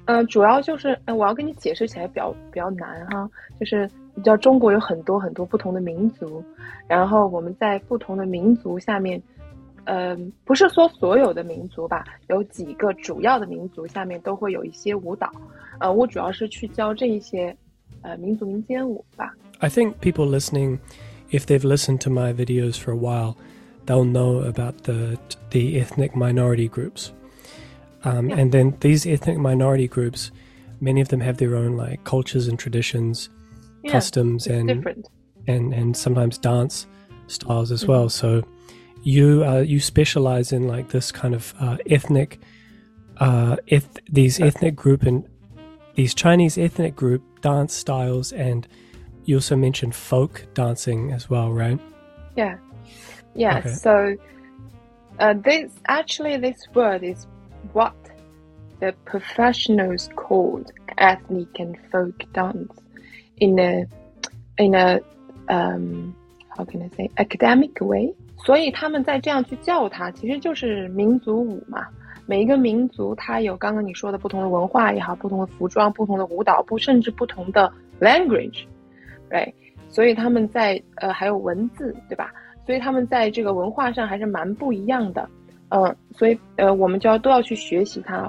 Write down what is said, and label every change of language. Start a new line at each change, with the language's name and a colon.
Chinese: 主要就是我要跟你解释起来比较难哈，就是你知道中国有很多很多不同的民族，然后我们在不同的民族下面，不是说所有的民族吧，有几个主要的民族下面都会有一些舞蹈。我主要是去教这一些民族民间舞吧。
English: I think people listening, if they've listened to my videos for a while,they'll know about the ethnic minority groups. And then these ethnic minority groups, many of them have their own like cultures and traditions, yeah, customs and, different. And sometimes dance styles as well. So you specialize in like this kind of ethnic group and these Chinese ethnic group dance styles. And you also mentioned folk dancing as well, right? Yeah. Yeah,、okay. So this, actually this word is what the professionals called ethnic and folk dance in a how can I say, academic way.
Chinese: 所以他们在这样去叫它其实就是民族舞嘛。每一个民族它有刚刚你说的不同的文化也好，不同的服装，不同的舞蹈，甚至不同的
English: language, right?
Chinese: 所以他们在还有文字，对吧？所以他们在这个文化上还是蛮不一样的，所以我们都要去学习它。